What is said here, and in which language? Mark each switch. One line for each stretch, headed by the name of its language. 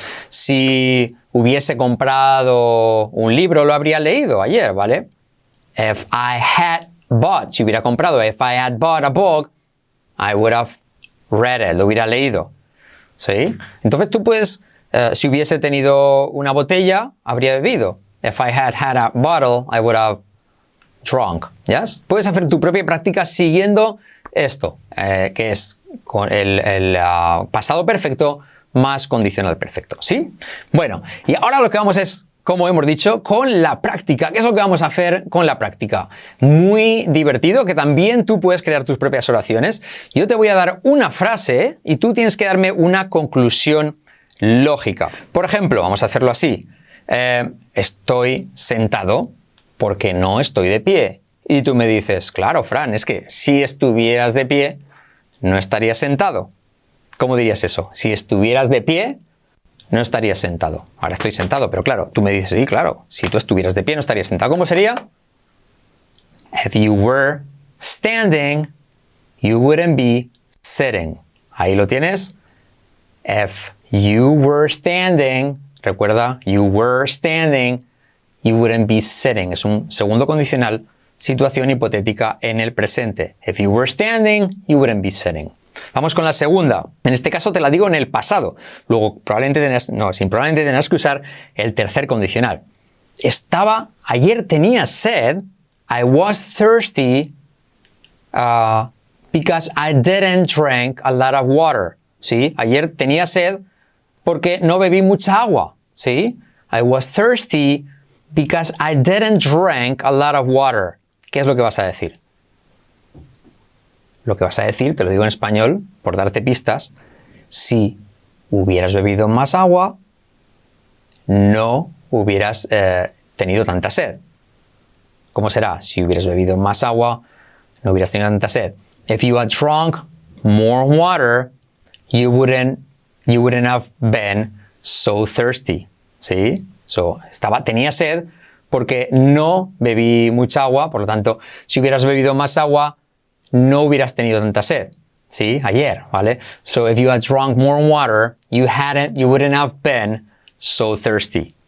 Spanish: Si hubiese comprado un libro, lo habría leído ayer, ¿vale?
English: If I had bought,
Spanish: si hubiera comprado,
English: if I had bought a book, I would have read it,
Spanish: lo hubiera leído. ¿Sí? Entonces tú puedes, si hubiese tenido una botella, habría bebido.
English: If I had had a bottle, I would have drunk. ¿Yes?
Spanish: Puedes hacer tu propia práctica siguiendo esto, que es con el pasado perfecto más condicional perfecto, ¿sí? Bueno, y ahora lo que vamos es, como hemos dicho, con la práctica. ¿Qué es lo que vamos a hacer con la práctica? Muy divertido, que también tú puedes crear tus propias oraciones. Yo te voy a dar una frase y tú tienes que darme una conclusión lógica. Por ejemplo, vamos a hacerlo así. Estoy sentado porque no estoy de pie. Y tú me dices, claro, Fran, es que si estuvieras de pie, no estarías sentado. ¿Cómo dirías eso? Si estuvieras de pie, no estarías sentado. Ahora estoy sentado, pero claro, tú me dices, sí, claro, si tú estuvieras de pie, no estarías sentado. ¿Cómo sería?
English: If you were standing, you wouldn't be sitting.
Spanish: Ahí lo tienes.
English: If you were standing,
Spanish: recuerda,
English: you were standing, you wouldn't be sitting.
Spanish: Es un segundo condicional, situación hipotética en el presente.
English: If you were standing, you wouldn't be sitting.
Spanish: Vamos con la segunda. En este caso te la digo en el pasado. Luego probablemente tendrás que usar el tercer condicional. Estaba, ayer tenía sed.
English: I was thirsty because I didn't drink a lot of water. ¿Sí?
Spanish: Ayer tenía sed porque no bebí mucha agua. ¿Sí?
English: I was thirsty because I didn't drink a lot of water.
Spanish: ¿Qué es lo que vas a decir? Lo que vas a decir, te lo digo en español, por darte pistas, si hubieras bebido más agua, no hubieras tenido tanta sed. ¿Cómo será? Si hubieras bebido más agua, no hubieras tenido tanta sed.
English: If you had drunk more water, you wouldn't have been so thirsty.
Spanish: ¿Sí? So, tenía sed porque no bebí mucha agua, por lo tanto, si hubieras bebido más agua, no hubieras tenido tanta sed. ¿sí? Ayer, ¿vale?
English: So if you had drunk more water, you wouldn't have been so thirsty.